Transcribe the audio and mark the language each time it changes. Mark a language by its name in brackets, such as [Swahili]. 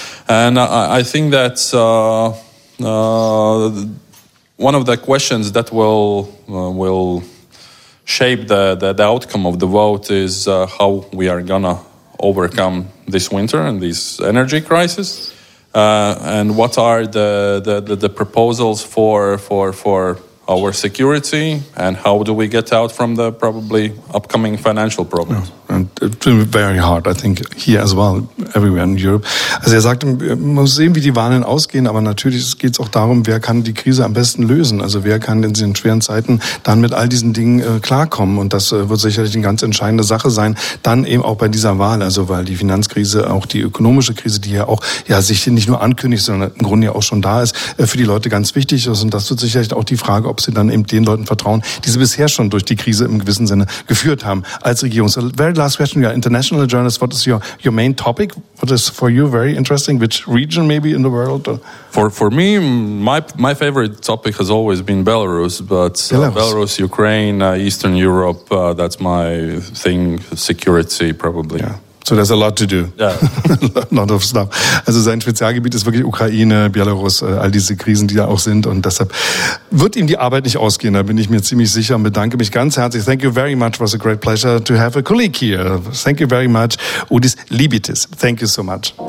[English] And I think that one of the questions that will shape the outcome of the vote is how we are going to overcome this winter and this energy crisis. And what are the proposals for our security, and how do we get out from the probably upcoming financial problems? Yeah. And it's been very hard, I think, here as well, everywhere in Europe. [German] Also er sagt, man muss sehen, wie die Wahlen ausgehen, aber natürlich geht es auch darum, wer kann die Krise am besten lösen. Also wer kann in diesen schweren Zeiten dann mit all diesen Dingen klarkommen. Und das wird sicherlich eine ganz entscheidende Sache sein, dann eben auch bei dieser Wahl. Also weil die Finanzkrise, auch die ökonomische Krise, die ja auch ja sich nicht nur ankündigt, sondern im Grunde ja auch schon da ist, für die Leute ganz wichtig ist. Und das wird sicherlich auch die Frage, ob sie dann eben den Leuten vertrauen, die sie bisher schon durch die Krise im gewissen Sinne geführt haben als Regierung. [English] Last question, you are an international journalist. What is your main topic? What is for you very interesting? Which region maybe in the world? For me, my favorite topic has always been Belarus. But Belarus, Ukraine, Eastern Europe, that's my thing, security probably. Yeah. So there's a lot to do. Yeah. A lot of stuff. [German] Also sein Spezialgebiet ist wirklich Ukraine, Belarus, all diese Krisen, die da auch sind. Und deshalb wird ihm die Arbeit nicht ausgehen. Da bin ich mir ziemlich sicher und bedanke mich ganz herzlich. [English] Thank you very much. It was a great pleasure to have a colleague here. Thank you very much. Udis Libitis. Thank you so much.